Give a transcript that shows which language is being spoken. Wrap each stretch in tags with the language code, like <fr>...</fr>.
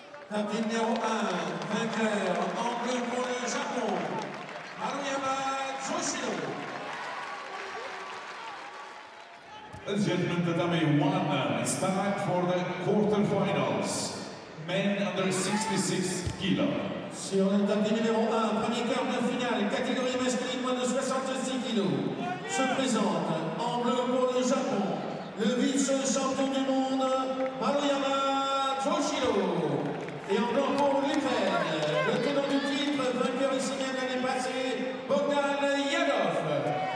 <fr>Tapis numéro 1, vainqueur en tant que pour le Japon, Maruyama Joshiro.</fr> <en>Ladies and gentlemen, Tatami 1 is back for the quarterfinals. Men under 66 kilos.</en> <fr>Sur le tapis numéro 1, premier quart de finale, catégorie masculine moins de 66 kilos, se présente en bleu pour le Japon, le vice-champion du monde, Maruyama Joshiro. Et en blanc pour l'Ukraine, le tenant du titre, vainqueur ici même l'année passée, Bogdan Yanov.</fr>